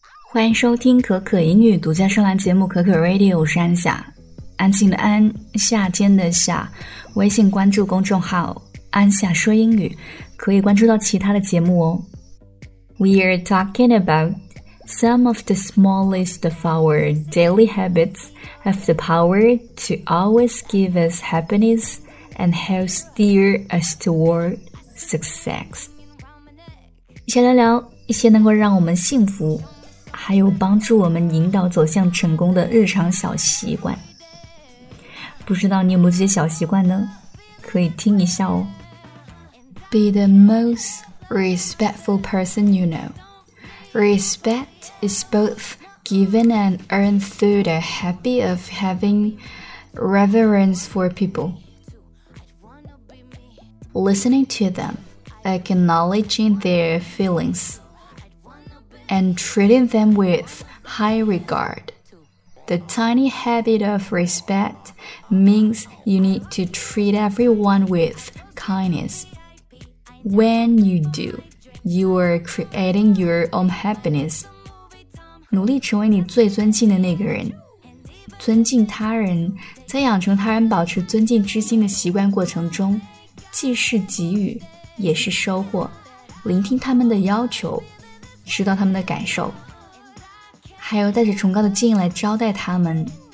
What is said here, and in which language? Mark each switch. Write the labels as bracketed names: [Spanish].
[Chinese] 欢迎收听可可英语独家专栏节目可可 Radio， 我是安夏，安静的安，夏天的夏。微信关注公众号安夏说英语，可以关注到其他的节目哦。 [English] We are talking about some of the smallest of our daily habits have the power to always give us happiness and help steer us toward success. [Chinese] 一起来聊一些能够让我们幸福还有帮助我们引导走向成功的日常小习惯。不知道你有没有这些小习惯呢？可以听一下哦。 [English] Be the most respectful person you know. Respect is both given and earned through the habit of having reverence for people. Listening to them, acknowledging their feelings. And treating them with high regard. The tiny habit of respect means you need to treat everyone with kindness. When you do, you are creating your own happiness. [Chinese] 努力成为你最尊敬的那个人。尊敬他人，在养成他人保持尊敬之心的习惯过程中，既是给予，也是收获。聆听他们的要求。知道他们的感受，还有带着崇高的敬意来招待他们。